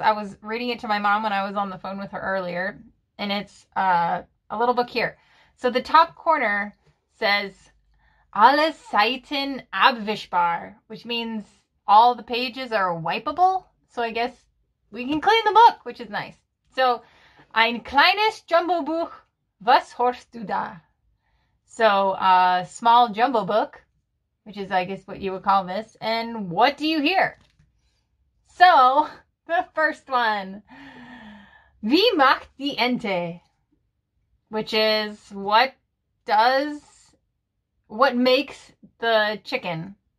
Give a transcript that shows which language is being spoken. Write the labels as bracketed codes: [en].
[en] I was reading it to my mom when I was on the phone with her earlier, and it's a little book here. So the top corner says [de] Alle Seiten abwischbar, [en] which means all the pages are wipeable, so I guess we can clean the book, which is nice. [de] So, ein kleines Jumbo Buch, was hörst du da? [en] So, a small jumbo book, which is, I guess, what you would call this, and what do you hear? So, the first one, [de] wie macht die Ente? [en] Which is, what makes the chicken?